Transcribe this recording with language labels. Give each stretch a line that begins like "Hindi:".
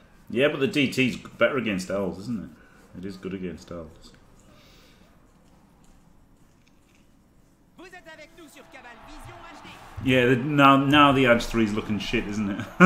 English: Yeah, but the DT's better against Elves, isn't it? It is good against Elves.
French: Vous êtes avec nous sur Cabal Vision HD.
English: Yeah, now the Edge 3 is looking shit, isn't it?